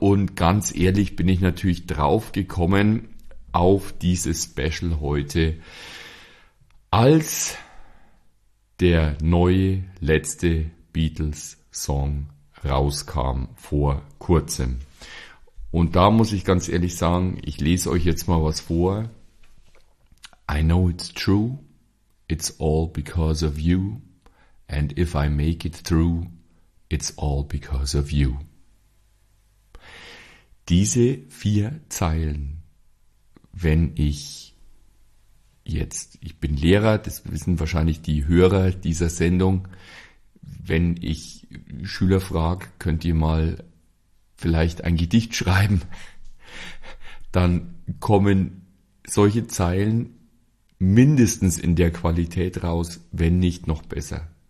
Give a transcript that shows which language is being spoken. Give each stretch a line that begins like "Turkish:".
German: Und ganz ehrlich bin ich natürlich drauf gekommen auf dieses Special heute, als der neue letzte Beatles-Song rauskam vor kurzem. Und da muss ich ganz ehrlich sagen, ich lese euch jetzt mal was vor.
English: I know it's true, it's all because of you, and if I make it through, it's all because of you.
German: Diese vier Zeilen, wenn ich jetzt, ich bin Lehrer, das wissen wahrscheinlich die Hörer dieser Sendung, wenn ich Schüler frage, könnt ihr mal vielleicht ein Gedicht schreiben, dann kommen solche Zeilen mindestens in der Qualität raus, wenn nicht noch besser.